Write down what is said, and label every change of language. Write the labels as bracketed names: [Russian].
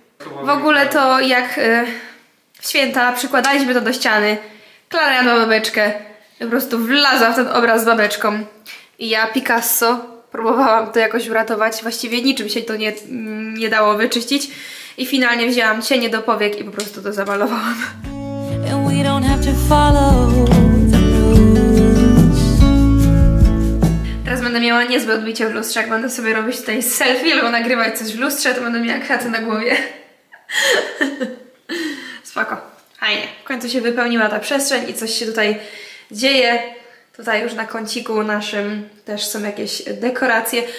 [Polish] Próbuję w ogóle to jak... W święta przykładaliśmy to do ściany. Klara jadła babeczkę. Po prostu wlazła w ten obraz z babeczką. I ja, Picasso, próbowałam to jakoś uratować. Właściwie niczym się to nie dało wyczyścić. I finalnie wzięłam cienie do powiek i po prostu to zamalowałam. [English] And we don't have to follow the rules. [Polish] Teraz będę miała niezłe odbicie w lustrze. Jak będę sobie robić tutaj selfie albo nagrywać coś w lustrze, to będę miała kwiaty na głowie. Spoko. Fajnie. W końcu się wypełniła ta przestrzeń i coś się tutaj dzieje. Tutaj już na kąciku naszym też są jakieś dekoracje.